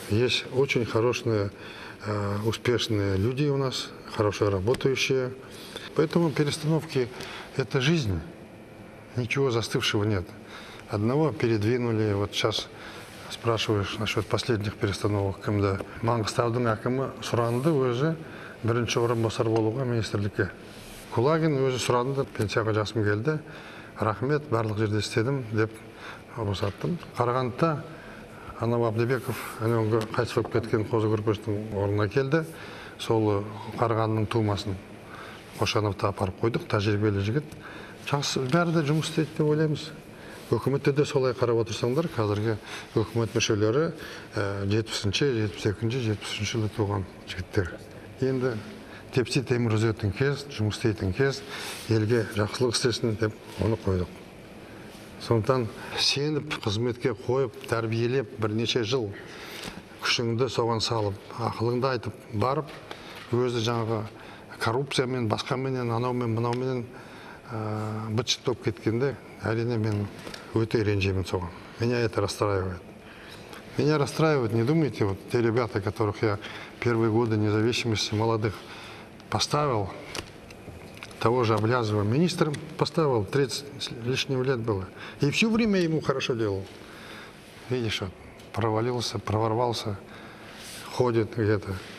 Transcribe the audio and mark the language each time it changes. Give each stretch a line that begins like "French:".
Russian: Есть очень хорошие, успешные люди у нас, хорошо работающие. Поэтому перестановки – это жизнь. Ничего застывшего нет. Одного передвинули, вот сейчас спрашиваешь насчет последних перестановок КМД.
Kazakh: Маңғыстаудың әкімі сұранды өзі бірінші орынбасар болуға министрлікке. Кулагин өзі сұранды, пенсияға жасым келді. Рахмет, барлық жерде істедім деп босаттым. Қарағандыда Анау Абдебеков, әнеугі қайтыс болып кеткен қозы көрпештің орнына келді. Сол Қарағандының тумасын Қошановты апарып қойдық, тәжірибелі жігіт. Жақсы, бәрі де жұмыс істейді деп ойлаймыз. Үкіметте де солай қарап отырсаңдар, қазіргі үкімет мүшелері 70-ші, 72-ші, 73-ші жылы туған жігіттер. Енді тепсе темір үзетін кез, жұмыс істейтін кез, елге жақсылық істесін деп оны қойдық. Сондықтан сеніп, қызметке қойып, тәрбиелеп бірнеше жыл күшіңді соған салып, ақылыңды айтып барып, өзі жаңағы коррупциямен, басқаменен, анаумен, мынауменен бытшыт болып кеткенде, әрине мен өте ренжимін соған.
Russian: Меня это расстраивает. Меня расстраивает, не думайте, вот те ребята, которых я первые годы независимости молодых поставил, того же Аблязова министром поставил, 30 лишним лет было. И все время ему хорошо делал. Видишь, вот, провалился, проворвался, ходит где-то.